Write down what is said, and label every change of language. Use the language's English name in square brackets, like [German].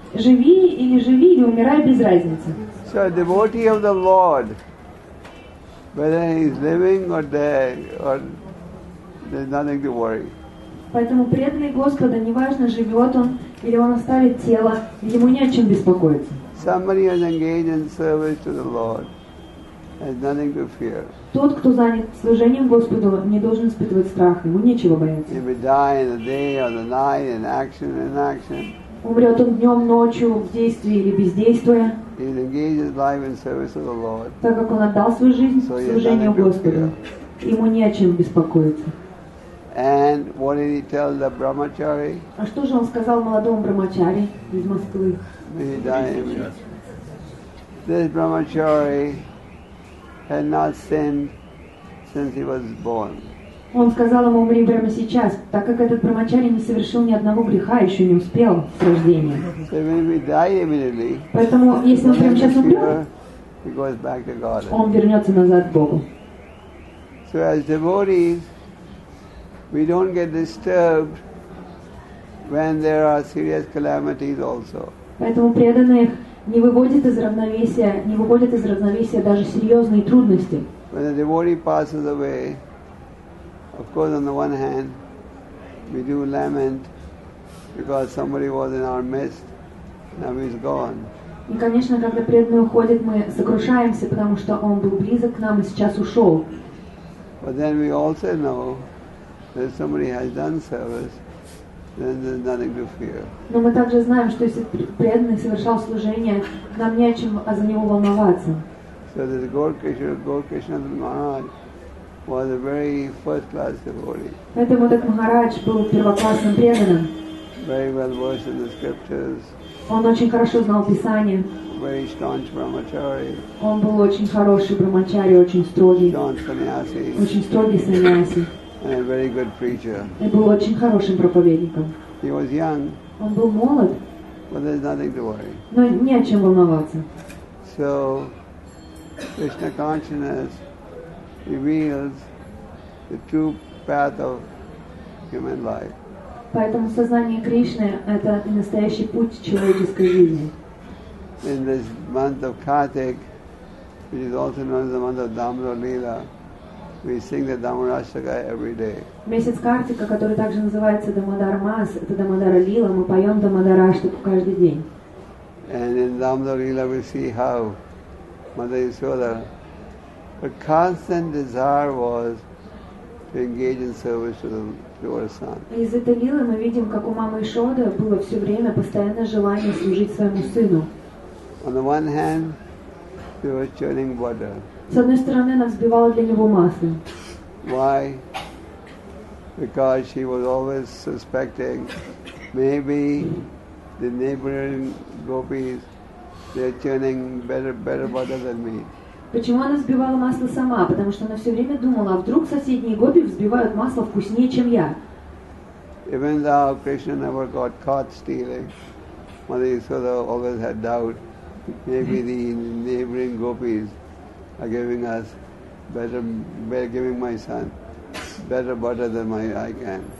[Russian] живи или умирай, без разницы. [English] So a devotee of the Lord, whether he's living or dead, or there's nothing to worry. [Russian] Поэтому преданный Господа, неважно, живет он или он оставит тело, ему не о чем беспокоиться. [English] Somebody is engaged in service to the Lord. There's nothing to fear. [Russian] Тот, кто занят служением Господу, не должен испытывать страх, ему нечего бояться. [English] He may die in the day or the night, in action or inaction. [Russian] Умрет он днем, ночью, в действии или бездействуя. [English] He's engaged his life in service of the Lord. [Russian] Так как он отдал свою жизнь служению Господу, ему не о чем беспокоиться. [English] And what did he tell the brahmachari? [Russian] А что же он сказал молодому брахмачари из Москвы? [English] May he die in it. This brahmachari had not sinned since he was born. [Russian] Он сказал ему: умри прямо сейчас, так как этот брахмачари не совершил ни одного греха, еще не успел с рождения. [English] So he may die immediately. [Russian] Поэтому если он прямо сейчас умрет, [English] he goes back to God. [Russian] Он вернется назад к Богу. [English] So as devotees, we don't get disturbed when there are serious calamities also. [Russian] Поэтому преданных не выводит из равновесия, не выводит из равновесия даже серьезные трудности. [English] When a devotee passes away, of course, on the one hand, we do lament because somebody was in our midst, now he's gone. [Russian] И, конечно, когда преданный уходит, мы сокрушаемся, потому что он был близок к нам и сейчас ушел. [English] But then we also know that if somebody has done service, then there's nothing to fear. [Russian] Но мы также знаем, что если преданный совершал служение, нам не о чем за него волноваться. [English] So this Gaur-Krishnadatta Maharaj was a very first-class devotee. [Russian] Поэтому этот Махарадж был первоклассным преданным. [English] Very well versed in the scriptures. [Russian] Он очень хорошо знал Писание. [English] Very staunch brahmachari. [Russian] Он был очень хороший брахмачари, очень строгий. [English] Staunch sannyasi. [Russian] Очень строгий саньяси. [English] And a very good preacher. [Russian] И был очень хорошим проповедником. [English] He was young. [Russian] Он был молод. [English] But there's nothing to worry. [Russian] Но не о чем волноваться. [English] So Krishna consciousness reveals the true path of human life. [Russian] Поэтому сознание Кришны — это настоящий путь человеческой жизни. [English] In this month of Kartik, which is also known as the month of Damodara Leela, we sing the Damodarashtaka every day. [Russian] Месяц Картика, который также называется Дамодара Мас, это Дамодара Лила, мы поем Дамодараштаку каждый день. [English] And in Damodara Leela we see how Mother Yasoda, her constant desire was to engage in service to her son. [Russian] Из этой лилы мы видим, как у мамы Ишоды было все время постоянное желание служить своему сыну. [English] On the one hand, she was churning butter. [Russian] С одной стороны, она взбивала для него масло. [English] Why? Because she was always suspecting maybe the neighboring gopis, they're churning better butter than me. [Russian] Почему она взбивала масло сама? Потому что она все время думала, а вдруг соседние гопи взбивают масло вкуснее, чем я. [English] Even though Krishna never got caught stealing, Mother Yasoda always had doubt, maybe the neighboring gopis are giving us giving my son better butter than I can.